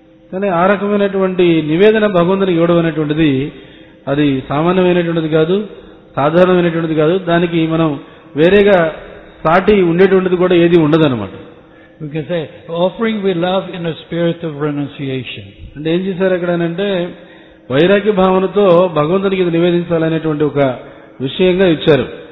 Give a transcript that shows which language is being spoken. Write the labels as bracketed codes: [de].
[te] కానీ ఆ రకమైనటువంటి నివేదన భగవంతునికి ఇవ్వడం అనేటువంటిది అది సామాన్యమైనటువంటిది కాదు, సాధారణమైనటువంటిది కాదు. దానికి మనం వేరేగా సాటి ఉండేటువంటిది కూడా ఏది ఉండదు అనమాట. [en] We can say, offering we love in a spirit of renunciation. [te] అంటే ఏం చేశారు అక్కడ అంటే వైరాగ్య భావనతో భగవంతునికి ఇది నివేదించాలనేటువంటి ఒక విషయంగా ఇచ్చారు.